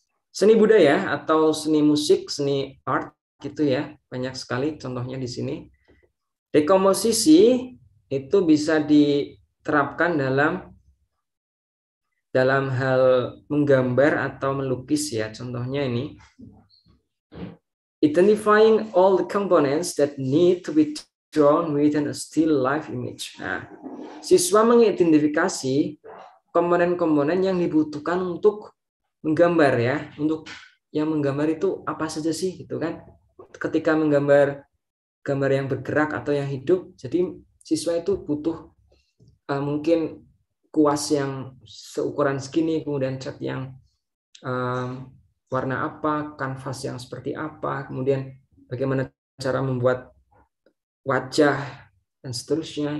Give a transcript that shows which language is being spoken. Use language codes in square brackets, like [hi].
[id] Seni budaya atau seni musik, seni art gitu ya. Banyak sekali contohnya di sini. Dekomposisi itu bisa diterapkan dalam hal menggambar atau melukis ya. Contohnya ini. [en] Identifying all the components that need to be drawn within a still life image. [id] Nah, siswa mengidentifikasi komponen-komponen yang dibutuhkan untuk menggambar ya, untuk yang menggambar itu apa saja sih gitu kan? Ketika menggambar gambar yang bergerak atau yang hidup, jadi siswa itu butuh mungkin kuas yang seukuran segini, kemudian cat yang warna apa, kanvas yang seperti apa, kemudian bagaimana cara membuat wajah dan seterusnya.